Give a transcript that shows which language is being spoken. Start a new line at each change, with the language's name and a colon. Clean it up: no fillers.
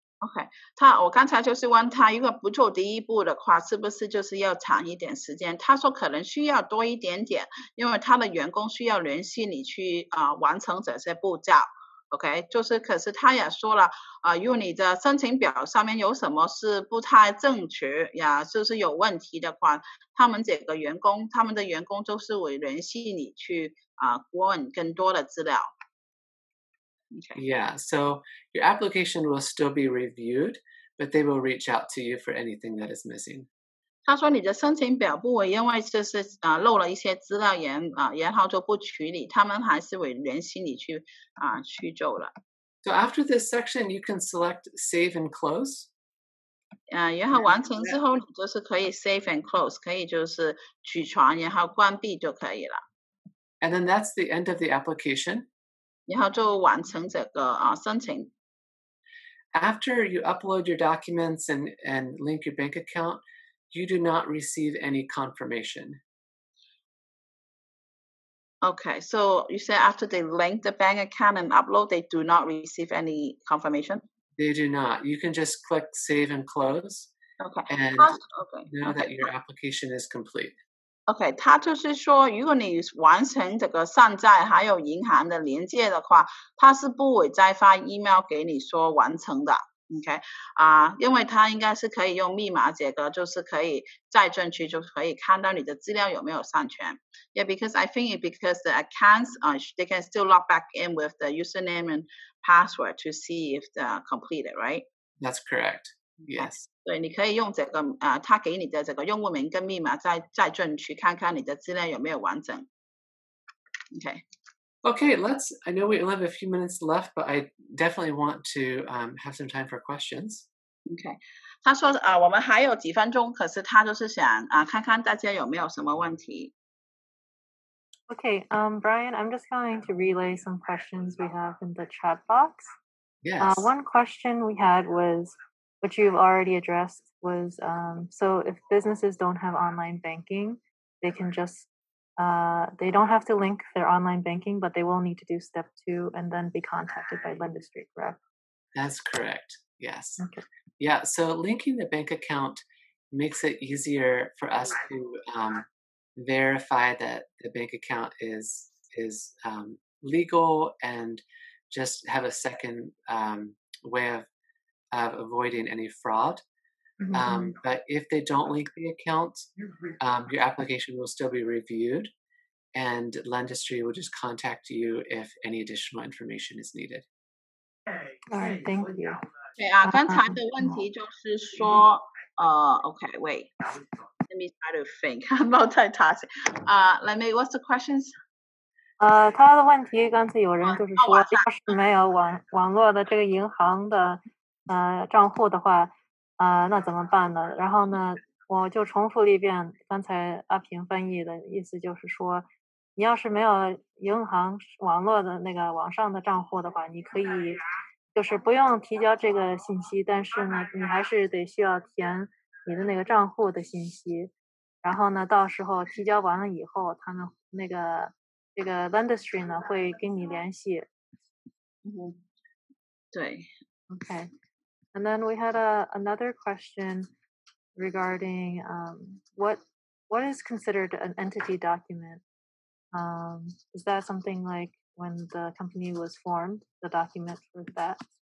Chinese: Okay, 他我刚才就是问他，如果不做第一步的话，是不是就是要长一点时间？他说可能需要多一点点，因为他的员工需要联系你去、完成这些步骤。 OK， 就是可是他也说了、如果你的申请表上面有什么是不太正确呀，就是有问题的话，他们这个员工，他们的员工就是会联系你去、问更多的资料。
English: Okay. Yeah, so your application will still be reviewed, but they will reach out to you for anything that is missing.
Chinese: 他说你的申请表不会因为就是、漏了一些资料员、然后就不处理，他们还是会联系你去、去做了。
English: So after this section, you can select save and close.、
Chinese: 然后完成之后你就是可以
English: save and close,
Chinese: 可以就是取传然后关闭就可以了。
English: And then that's the end of the application.
Chinese: 然后就完成这个、申请。
English: After you upload your documents and link your bank account, you do not receive any confirmation. Okay, so you say after they link the bank account and upload, they do not receive any confirmation? They do not. You can just click save and close. Okay. And know okay. that your application is complete.
Chinese: OK, 他就是说如果你完成这个上载还有银行的连接的话，他是不会再发 email 给你说完成的。 OK,、因为他应该是可以用密码这个就是可以再进去就可以看到你的资料有没有上传。
English: Yeah, because I think it because the accounts,、they can still log back in with the username and password to see if they're completed, right? That's correct. Yes.
Chinese: 对，你可以用这个、他给你的这个用户名跟密码再进去看看你的资料有没有完整。
English: Okay. Okay, let's, I know we only have a few minutes left, but I definitely want to、have some time for questions. Okay.
Chinese: 他说、我们还有几分钟，可是他就是想、看看大家有没有什么问题。
English: Okay,、Brian, I'm just going to relay some questions we have in the chat box. Yes.、 one question we had was,which you've already addressed was,、so if businesses don't have online banking, they can just,、they don't have to link their online banking, but they will need to do step two and then be contacted by Lendistry, correct? That's correct, yes. Okay. Yeah, so linking the bank account makes it easier for us to、verify that the bank account is、legal and just have a second、way of avoiding any fraud、mm-hmm. But if they don't link the account、your application will still be reviewed and Lendistry will just contact you if any additional information is needed. All right, thank you.
Chinese: 对啊，刚才的问题就是说，
English: okay, wait, let me try to think. Multitasking. What's the questions?
Chinese: 他的问题刚才有人就是说， 要是没有网络的这个银行的账户的话， 那怎么办呢？然后呢， 我就重复了一遍刚才阿平翻译的意思就是说， 你要是没有银行网络的那个网上的账户的话， 你可以就是不用提交这个信息， 但是呢， 你还是得需要填你的那个账户的信息。然后呢， 到时候提交完了以后， 他们那个， 这个Vendistry呢， 会跟你联系。对。
English: Okay. And then we had another question regarding what is considered an entity document? Is that something like when the company was formed, the document for that?